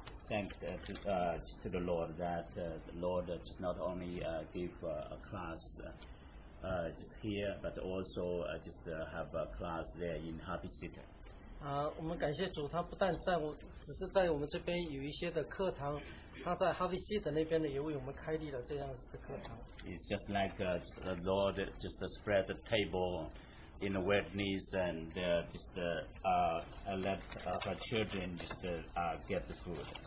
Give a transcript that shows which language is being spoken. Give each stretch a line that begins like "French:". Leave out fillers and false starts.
English: Thanks to the Lord that the Lord just not only give a class just here, but also just have a class there in Harvey City.
Chinese: 我们感谢主，他不但在我只是在我们这边有一些的课堂，他在 Harvey City的那边的也为我们开立了这样的课堂。
English: It's just like the Lord just spread the table in the wilderness and just let her children just get the food.